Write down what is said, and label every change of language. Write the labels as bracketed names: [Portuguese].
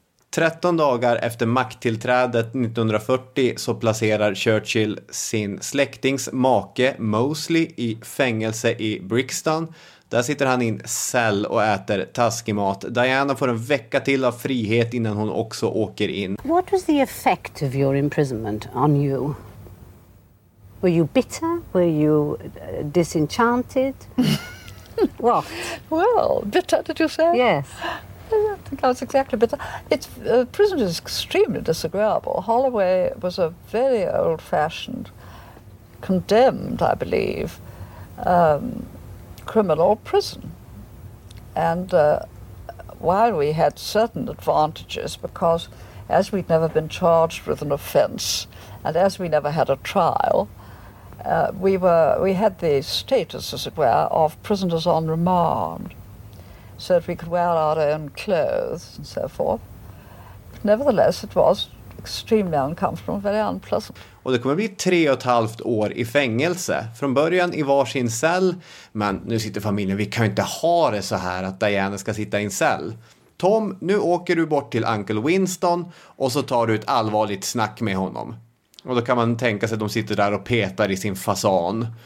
[Swedish] 13 dagar efter makttillträdet 1940 så placerar Churchill sin släktings make Mosley i fängelse i Brixton. Där sitter han i en cell och äter taskig mat. Diana får en vecka till av frihet innan hon också åker in. [English] What was the effect of your imprisonment on you? Were you bitter? Were you disenchanted? What? Well, bitter, did you say? Yes. I think that's exactly bitter. It's, prison is extremely disagreeable. Holloway was a very old-fashioned, condemned, I believe, criminal prison. And while we had certain advantages, because as we'd never been charged with an offence, and as we never had a trial, we had the status, as it were, of prisoners on remand, so that we could wear our own clothes and so forth. But nevertheless, it was extremely uncomfortable, very unpleasant. [Swedish] Och det kommer bli 3,5 år i fängelse. Från början i varsin cell. Men nu sitter familjen, vi kan ju inte ha det så här att Diana ska sitta i en cell. Tom, nu åker du bort till Uncle Winston och så tar du ett allvarligt snack med honom. Och då kan man tänka sig att de sitter där och petar i sin fasan.